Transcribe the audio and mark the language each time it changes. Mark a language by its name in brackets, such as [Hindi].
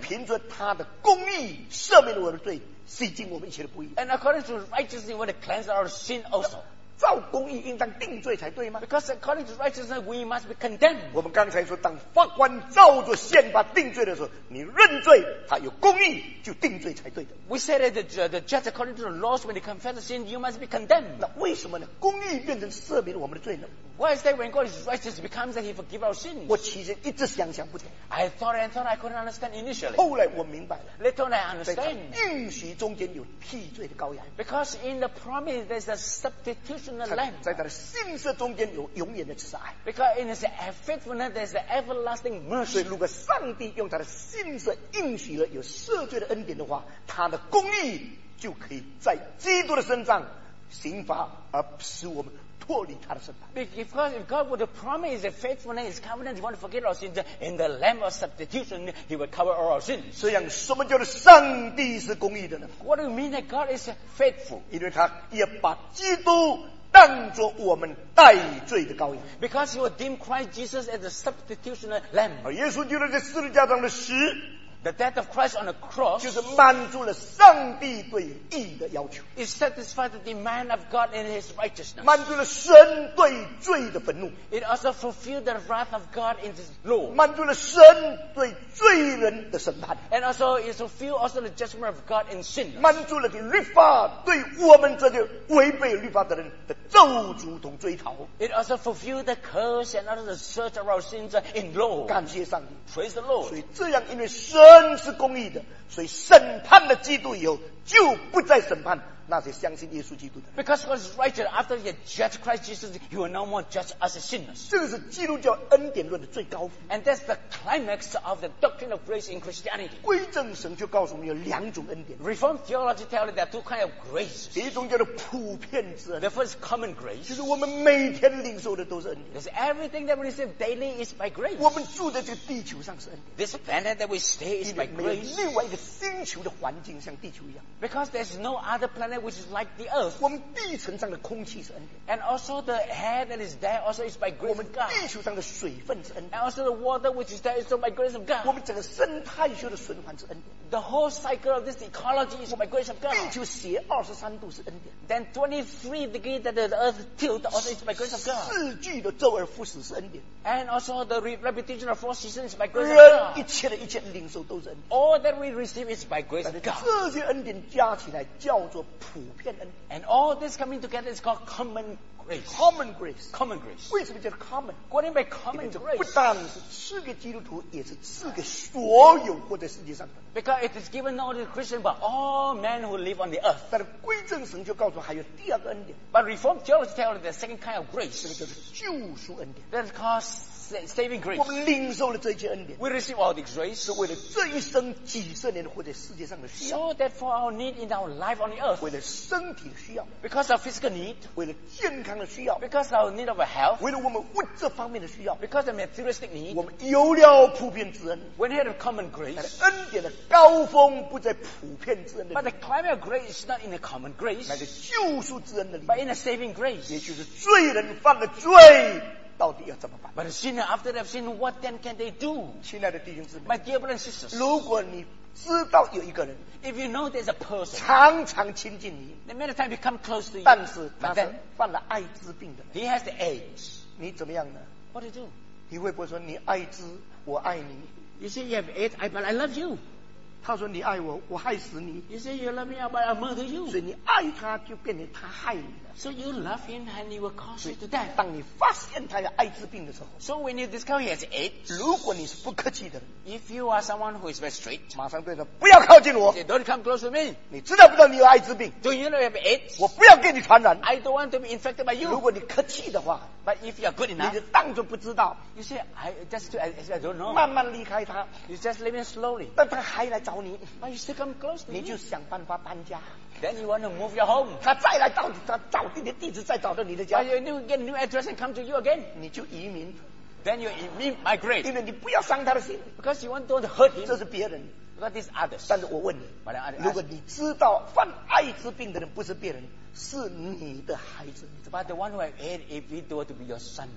[Chinese] 凭着他的公义赦免了我的罪，洗净我们一切的不义。 [English] And according to righteousness, we want to cleanse our sin also. [Chinese] 照公义应当定罪才对吗 [English] ？Because according to righteousness, we must be condemned. [Chinese] 我们刚才说，当法官照着宪法定罪的时候，你认罪，他有公义就定罪才对的。 [English] We say that the judge according to the laws, when he confesses sin, you must be condemned. [Chinese] 那为什么呢？公义变成赦免了我们的罪呢？ [English] Why is that when God is righteous, it becomes that He forgives our sins? [Chinese] 我其实一直想想不通。 [English] I thought and thought I couldn't understand initially. [Chinese] 后来我明白了。 [English] Later on, I understand. [Chinese] 在应许中间有替罪的羔羊。 [English] Because in the promise, there's a substitutional lamb. [Chinese] 在他的信实中间有永远的慈爱。 [English] Because in His faithfulness, there's the everlasting mercy. [Chinese] 所以如果上帝用他的信实应许了有赦罪的恩典的话，他的公义就可以在基督的身上刑罚，而使我们。 [English] Because if God would promise a faithfulness, His covenant, He won't forget our sins. In the Lamb of substitution, He will cover all our sins. [Chinese] 这样，什么叫做上帝是公义的呢 [English] ？What do you mean that God is faithful? [Chinese] 因为他也把基督当作我们代罪的羔羊。 [English] Because He will deem Christ Jesus as a substitutional lamb. [Chinese] 而耶稣基督在十字架上的死。 [English] The death of Christ on the cross [Chinese] 就是满足了上帝对义的要求。 [English] It satisfied the demand of God in His righteousness. [Chinese] 满足了神对罪的愤怒。 [English] It also fulfilled the wrath of God in His law. [Chinese] 满足了神对罪人的审判。 [English] And also it fulfilled also the judgment of God in sin. [Chinese] 满足了律法对我们这个违背律法的人的咒诅同追讨。 [English] It also fulfilled the curse and also the search of our sins in law. [Chinese] 感谢上帝。 [English] Praise the Lord. [Chinese] 所以这样因为神是公义的，所以审判了基督以后，就不再审判那些相信耶稣基督的。 [English] Because God is righteous, after you judge Christ Jesus, you will no more judge us as sinners. [Chinese] 这个是基督教恩典论的最高峰。 [English] And that's the climax of the doctrine of grace in Christianity. [Chinese] 归正神就告诉我们有两种恩典。 [English] Reformed theology tells you there are two kinds of grace. [Chinese] 第一种叫做普遍之恩。 [English] The first common grace. [Chinese] 就是我们每天领受的都是恩典。 [English] Because everything that we receive daily is by grace. [Chinese] 我们住在这个地球上是恩典。 [English] This planet that we stay is by grace. [Chinese] 没有另外一个星球的环境像地球一样。 [English] Because there's no other planet which is like the earth. [Chinese] 我们地层上的空气是恩典。 [English] And also the air that is there also is by grace of God. [Chinese] 我们地球上的水分是恩典。 [English] And also the water which is there is also by grace of God. [Chinese] 我们整个生态学的循环是恩典。 [English] The whole cycle of this ecology is by grace of God. [Chinese] 地球斜23度是恩典。 [English] Then 23 degrees that the earth tilt also is by grace of God. [Chinese] 四季的周而复始是恩典。 [English] And also the repetition of four seasons is by grace of God. [Chinese] 人一切的一切领受都是恩典。 [English] All that we receive is by grace of God. [Chinese] 这些恩典加起来叫做普遍恩。 [English] And all this coming together is called common grace. Common grace. Common grace. [Chinese] 为什么叫 common? [English] What do you mean by common grace? [Chinese] 不但是赐给基督徒，也是赐给所有活在世界上的。 [English] Because it is given not only to Christians, but all men who live on the earth. [Chinese] 但归正神就告诉还有第二个恩典。 [English] But Reformed theology tells us the second kind of grace. [Chinese] 这个叫做救赎恩典。 [English] That is called saving grace. [Chinese] 我们领受了这一切恩典。 [English] We receive all this grace. [Chinese] 是为了这一生几十年活在世界上的需要。 [English] So that for our need in our life on the earth. [Chinese] 为了身体的需要。 [English] Because of physical need. [Chinese] 为了健康的需要。 [English] Because of our need of our health. [Chinese] 为了我们物质方面的需要。 [English] Because of materialistic need. [Chinese] 我们有了普遍之恩。 [English] When we had a common grace. [Chinese] 那恩典的高峰不在普遍之恩的。 [English] But the climate of grace is not in the common grace. [Chinese] 乃是救赎之恩的。 [English] But in the saving grace. [Chinese] 也就是罪人犯了罪。到底要怎么办？ [English] But sinner, after they've sinned, what then can they do? [Chinese] 亲爱的弟兄姊妹， [English] My dear brothers and sisters, [Chinese] 如果你知道有一个人， [English] If you know there's a person, [Chinese] 常常亲近你， [English] The many times he come close to you, [Chinese] 但是他是犯了艾滋病的人， [English] He has the AIDS. [Chinese] 你怎么样呢？ [English] What do you do? [Chinese] 你会不会说你艾滋，我爱你？ [English] You say you have AIDS, but I love you. [Chinese] 他说你爱我，我害死你。 [English] You say you love me, but I murder you. [Chinese] 所以你爱他就变成他害你。 [English] So you love him and he will cause you to die. [Chinese] 当你发现他有艾滋病的时候， [English] So when you discover he has AIDS, [Chinese] 如果你是不客气的， [English] If you are someone who is very straight, [Chinese] 马上对他不要靠近我， [English] say, Don't come close to me. [Chinese] 你知道不知道你有艾滋病？ [English] Do you know you have AIDS? [Chinese] 我不要给你传染， [English] I don't want to be infected by you. [Chinese] 如果你客气的话， [English] But if you are good enough, [Chinese] 你就当作不知道， [English] You say I don't know. [Chinese] 慢慢离开他， [English] You just leave him slowly. [Chinese] 但他还来找你， [English] But you still come close to [Chinese] me. 你就想办法搬家。 [English] Then you want to move your home. [Chinese] 他再来到你，他找你的地址，再找到你的家。 [English] But you need to get a new address and come to you again. [Chinese] 你就移民。 [English] Then you migrate. [Chinese] 因为你不要伤他的心。 [English] Because you want to hurt him. [Chinese] 这是别人。 [English] Because this is others. [Chinese] 但是我问你， [English] But I ask, [Chinese] 如果你知道犯艾滋病的人不是别人，是你的孩子，你怎么办？ [English] But the one who have had, if it were to be your son,